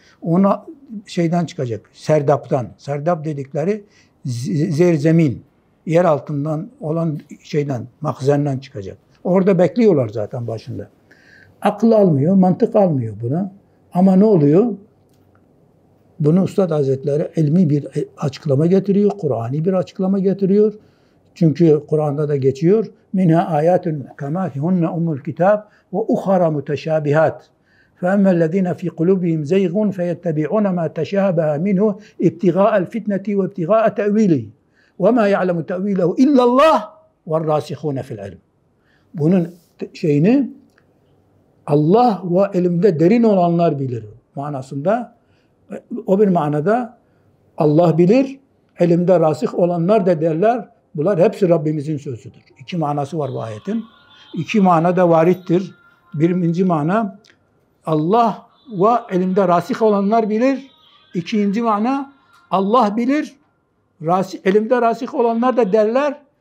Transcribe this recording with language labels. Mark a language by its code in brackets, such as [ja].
[tr] Ona şeyden çıkacak, Serdap'tan. Serdap dedikleri zemin, yer altından olan şeyden, mahzenden çıkacak. Orada bekliyorlar zaten başında. Akıl almıyor, mantık almıyor buna. Ama ne oluyor? Bunu Üstad Hazretleri ilmi bir açıklama getiriyor, Kur'an'ı bir açıklama getiriyor. Çünkü Kur'an'da da geçiyor. [ar] مِنْهَا آيَاتٌ كَمَاتِ هُنَّ اُمُّ الْكِتَابِ وَاُخَرَ مُتَشَابِهَاتِ فَأَمَّا الَّذِينَ فِي قُلُوبِهِمْ زَيْغٌ فَيَتَّبِعُونَ مَا تَشَابَهَ مِنْهُ اِبْتِغَاءَ الْفِتْنَةِ وَاِبْتِغَاءَ تَأْوِيلِهِ وَمَا يَعْلَمُ تَأْوِيلَهُ اِلَّا اللّٰهُ وَالرَّاسِخُونَ فِي الْعِلْمِ [tr] Bunun şeyini Allah ve ilimde derin olanlar bilir manasında. O bir manada Allah bilir, elimde rasih olanlar da derler. Bunlar hepsi Rabbimizin sözüdür. İki manası var bu ayetin. İki mana da varittir. Birinci mana, Allah ve elimde rasih olanlar bilir. İkinci mana, Allah bilir, elimde rasih olanlar da derler.